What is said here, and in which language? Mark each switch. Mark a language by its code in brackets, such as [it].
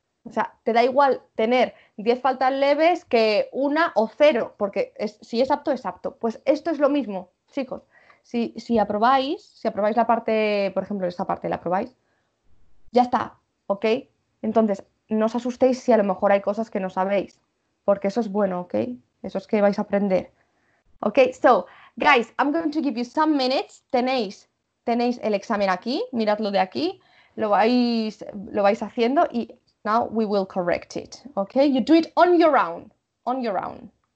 [es] O sea, te da igual tener 10 faltas leves que una o cero, porque si es apto, es apto. Pues esto es lo mismo, chicos. Si aprobáis la parte, por ejemplo, esta parte, la aprobáis, ya está, ¿ok? Entonces, no os asustéis si a lo mejor hay cosas que no sabéis, porque eso es bueno, ¿ok? Eso es que vais a aprender. [en] Ok, so, guys, I'm going to give you some minutes. [es] Tenéis el examen aquí, miradlo de aquí, lo vais haciendo y [en] now we will correct it, [es] ¿ok? [en] You do it on your own, on your own.